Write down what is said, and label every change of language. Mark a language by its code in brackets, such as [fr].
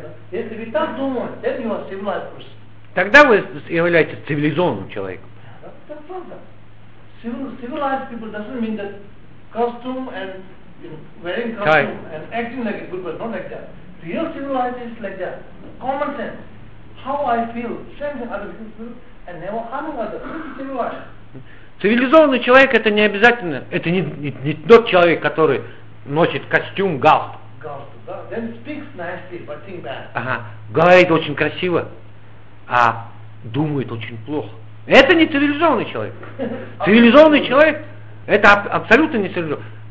[ru] Если вы так думаете, это не у вас цивилизация. Тогда вы являетесь цивилизованным человеком. Да, правда. [en] Civilized people doesn't mean that costume and, you know, wearing costume and acting like a good person, not like that. Real civilization is like that. Common sense. How I feel, same thing other people feel, and never harming others. This is civilized. [ru] Цивилизованный человек это не обязательно, это не тот человек, который носит костюм, галстук. [en] Then speaks nicely, but think bad. [ru] Ага. Говорит очень красиво, а думает очень плохо. Это не цивилизованный человек. Цивилизованный человек это абсолютно не цивилизованный.